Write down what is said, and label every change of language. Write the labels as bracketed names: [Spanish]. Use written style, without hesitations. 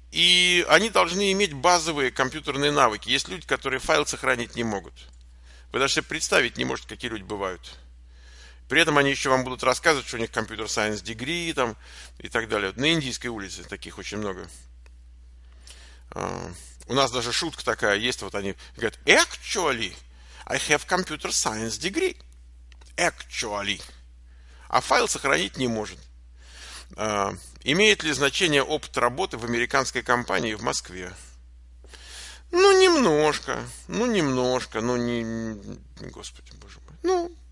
[Russian] И они должны иметь базовые компьютерные навыки. Есть люди, которые файл сохранить не могут. Вы даже себе представить не можете, какие люди бывают. При этом они еще вам будут рассказывать, что у них [English] computer science degree [Russian] там, и так далее. На Индийской улице таких очень много. У нас даже шутка такая есть. Вот они говорят, [English] actually, I have computer science degree. Actually. [Russian] А файл сохранить не может. Имеет ли значение опыт работы в американской компании в Москве? Ну, немножко. Ну, немножко. Ну, не... Господи, боже мой. Ну...